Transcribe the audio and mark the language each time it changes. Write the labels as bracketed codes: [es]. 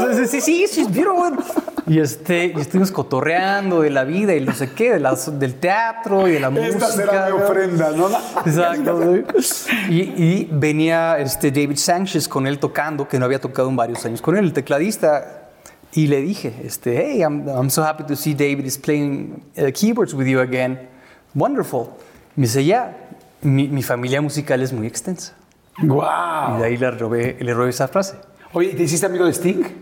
[es] sí, [en] she's beautiful. [es] Y estuvimos cotorreando de la vida y no sé qué, del teatro y de la esta música. Esta será mi ofrenda, ¿no? Exacto. Y venía David Sanchez con él tocando, que no había tocado en varios años con él, el tecladista. Y le dije, [en] hey, I'm so happy to see David is playing keyboards with you again. Wonderful. [es] Me dice, [en] yeah, [es] mi familia musical es muy extensa. Wow. Y de ahí le robé esa frase. Oye, ¿te hiciste amigo de Sting?